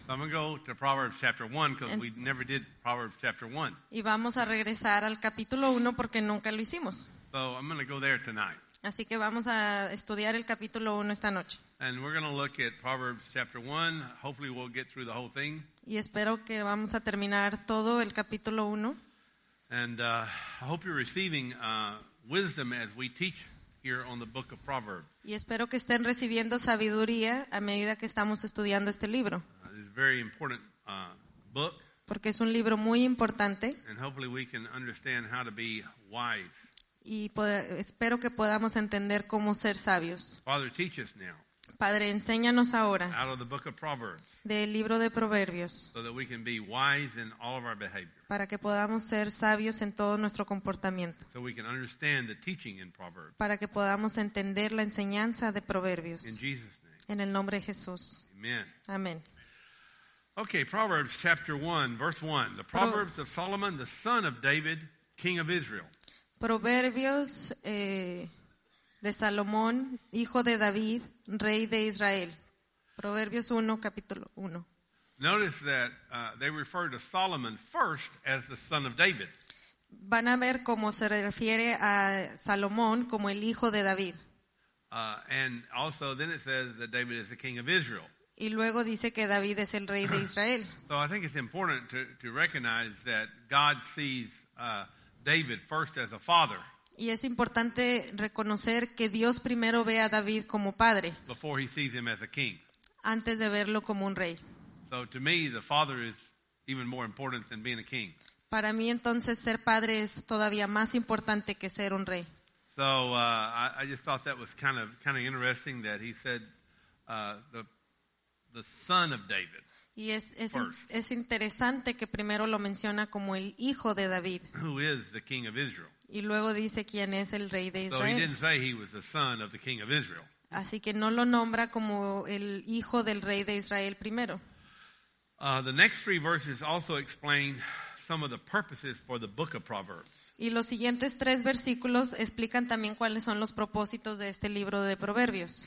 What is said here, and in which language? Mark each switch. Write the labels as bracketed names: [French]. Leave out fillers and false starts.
[English] So I'm going to go to Proverbs chapter 1 because we never did Proverbs chapter 1. [Spanish] Y vamos a regresar al capítulo 1 porque nunca lo hicimos. [English] So I'm going to go there tonight. [Spanish] Así que vamos a estudiar el capítulo 1 esta noche. [English] And we're going to look at Proverbs chapter 1. Hopefully we'll get through the whole thing. [Spanish] Y espero que vamos a terminar todo el capítulo 1. [English] And I hope you're receiving wisdom as we teach here on the book of Proverbs. [Spanish] Y espero que estén recibiendo sabiduría a medida que estamos estudiando este libro. [English] It's a very important book. [Spanish] Porque es un libro muy importante. [English] And hopefully we can understand how to be wise. [Spanish] Y espero que podamos entender cómo ser sabios. [English] Father, teach us now. [Spanish] Padre, enséñanos ahora. [English] Out of the book of Proverbs. [Spanish] Del libro de Proverbios. [English] So that we can be wise in all of our behavior. [Spanish] Para que podamos ser sabios en todo nuestro comportamiento. [English] So we can understand the teaching in Proverbs. [Spanish] Para que podamos entender la enseñanza de Proverbios. [English] In Jesus' name. [Spanish] En el nombre de Jesús. [English] Amen. [Spanish] Amén. [English] Okay, Proverbs chapter 1, verse 1. The Proverbs of Solomon, the son of David, king of Israel. [Spanish] Proverbios de Salomón, hijo de David, rey de Israel. Proverbios 1, capítulo 1. [English] Notice that they refer to Solomon first as the son of David. [Spanish] Van a ver cómo se refiere a Salomón como el hijo de David. [English] And also then it says that David is the king of Israel. [Spanish] Y luego dice que David es el rey de Israel. [English] So I think it's important to recognize that God sees David first as a father. [Spanish] Y es importante reconocer que Dios primero ve a David como padre. [English] Before he sees him as a king. [Spanish] Antes de verlo como un rey. [English] So to me, the father is even more important than being a king. [Spanish] Para mí entonces ser padre es todavía más importante que ser un rey. [English] So I just thought that was kind of interesting that he said the son of David. [Spanish] Y es interesante que primero lo menciona como el hijo de David. [English] Who is the king of Israel. [Spanish] Y luego dice quién es el rey de Israel. [English] So he didn't say he was the son of the king of Israel. [Spanish] Así que no lo nombra como el hijo del rey de Israel primero. [English] The next three verses also explain some of the purposes for the book of Proverbs. [Spanish] Y los siguientes tres versículos explican también cuáles son los propósitos de este libro de Proverbios.